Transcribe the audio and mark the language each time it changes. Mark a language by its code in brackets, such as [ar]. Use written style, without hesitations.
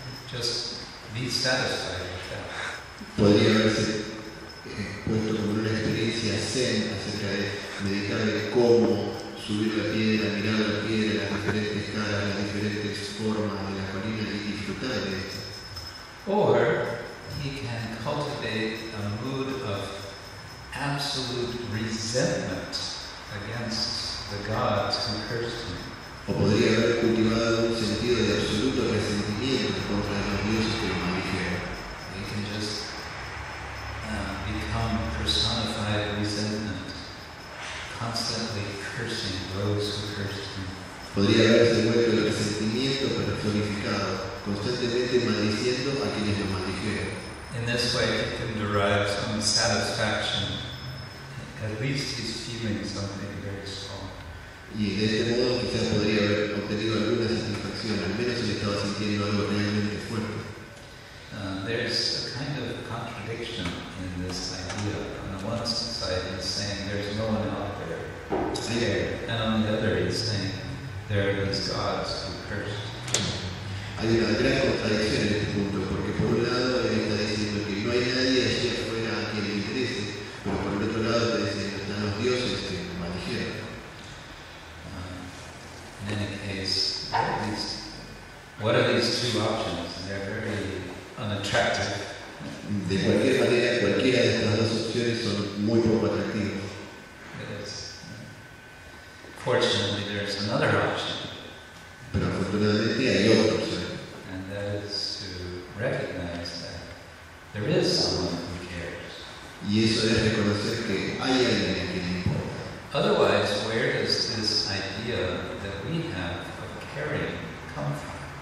[en] Just be satisfied with that. [es] Podría haberse puesto como una experiencia zen acerca de meditar de cómo subir la piedra, mirar la piedra, las diferentes caras, las diferentes formas de la colina y disfrutar de esto. [en] Or he can cultivate a mood of absolute resentment against the gods who cursed him. [es] O podría haber cultivado un sentido de absoluto resentimiento contra los dioses que lo maldijeron. [en] He can just become personified resentment, constantly cursing those who cursed him. [es] Podría haberse vuelto el resentimiento personificado, constantemente maldiciendo a quienes lo maldijeron. [en] In this way he can derive some satisfaction. At least he's feeling something very strong. [es] Y de este modo quizás podría haber obtenido alguna satisfacción, al menos si estaba sintiendo algo realmente fuerte. [en] There's a kind of contradiction in this idea. On the one side he's saying there's no one out there to care, and on the other he's saying there are these gods who cursed. [es] Hay una gran contradicción en este punto, porque por un lado él está diciendo que no hay nadie allí afuera a quien le interese, pero por el otro lado está diciendo que están los dioses que lo maldijeron. [en] In any case, what are these two options? They're very unattractive. [es] De cualquier manera, cualquiera de estas dos opciones son muy poco atractivas. [en] Yes. Fortunately, there's another option. [es] Pero afortunadamente hay otra opción. [en] And that is to recognize that there is someone who cares. [es] Y eso es reconocer que hay alguien que le importa. [en] Otherwise, where does this idea that we have of caring come from?